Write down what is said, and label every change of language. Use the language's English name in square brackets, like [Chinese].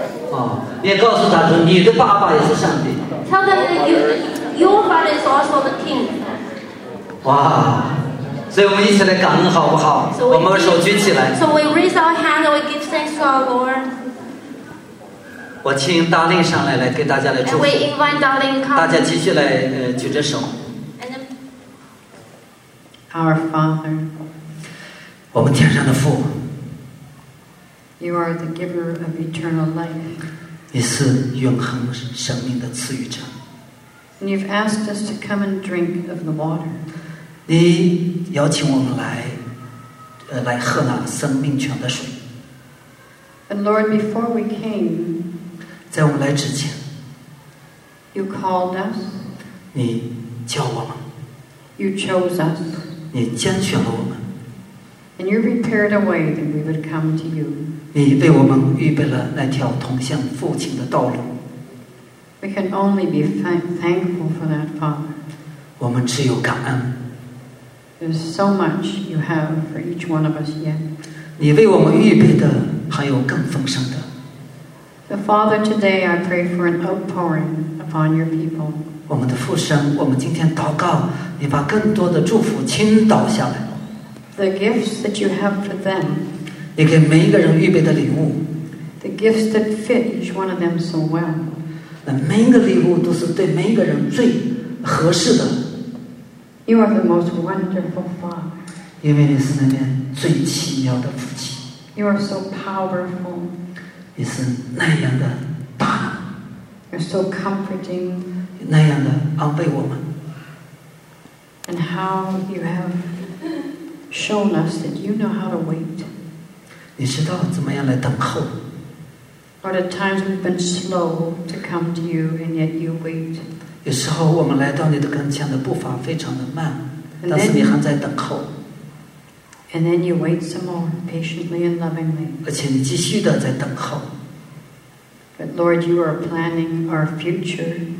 [Chinese] 哦，你也告诉他说你的爸爸也是上帝。 [English] Tell them that your father is also the king. 哇。 [Chinese] 所以我们一起来感恩好不好 [English] so, [Chinese] 我们手举起来 [English] So we raise our hand and we give thanks to our Lord [Chinese] 我请达令上来给大家来祝福 [English] And we invite darling come [Chinese] 大家继续来举着手 [English] Our Father [Chinese] 我们天上的父 [English] You are the giver of eternal life [Chinese] 你是永恒生命的赐予者 [English] And you've asked us to come and drink of the water [Chinese] 你邀请我们来，来喝那生命泉的水。 [English] And Lord, before we came, [Chinese] 在我们来之前 [English] ，You called us. [Chinese] 你叫我们。 [English] You chose us. [Chinese] 你拣选了我们。 [English] And you prepared a way that we would come to you. [Chinese] 你为我们预备了那条通向父亲的道路。 [English] We can only be thankful for that, Father. [Chinese] 我们只有感恩。 [English] There's so much you have for each one of us yet. [Chinese] 你为我们预备的还有更丰盛的。 [English] The Father, today I pray for an outpouring upon your people. [Chinese] 我们的父神，我们今天祷告，你把更多的祝福倾倒下来。 [English] The gifts that you have for them. [Chinese] 你给每一个人预备的礼物 [English] the gifts that fit each one of them so well. [Chinese] 那每一个礼物都是对每一个人最合适的。 [English] You are the most wonderful Father. [Chinese] 因为你是那边最奇妙的父亲。 [English] You are so powerful. [Chinese] 你是那样的大。 [English] You're so comforting. [Chinese] 那样的安慰我们。 [English] And how you have shown us that you know how to wait. [Chinese] 你知道怎么样来等候。 [English] But at times we've been slow to come to you, and yet you wait. [Chinese] 有时候我们来到你的跟前的步伐非常的慢，但是你还在等候。 [English] And then you wait some more patiently and lovingly. [Chinese] 而且你继续的在等候。 [English] But Lord, you are planning our future.